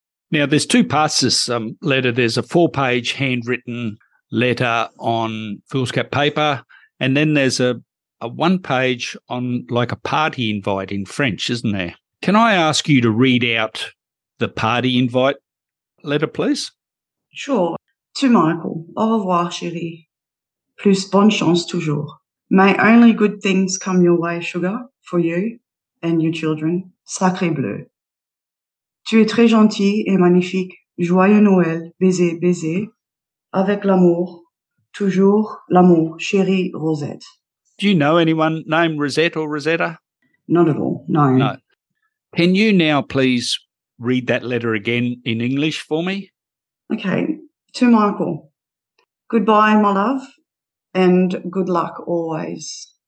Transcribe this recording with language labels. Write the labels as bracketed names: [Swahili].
[English] Now, there's two parts to this letter. There's a four-page handwritten letter on foolscap paper, and then there's a one page on like a party invite in French, isn't there? Can I ask you to read out the party invite letter, please? Sure. [French] To Michael, au revoir, chérie. Plus bonne chance toujours. [English] May only good things come your way, sugar, for you and your children. [French] Sacré bleu. Tu es très gentil et magnifique. Joyeux Noël, baiser, baiser. Avec l'amour, toujours l'amour, chérie Rosette. [English] Do you know anyone named Rosette or Rosetta? Not at all, no. No. Can you now please read that letter again in English for me? Okay. To Michael, goodbye, my love, and good luck always.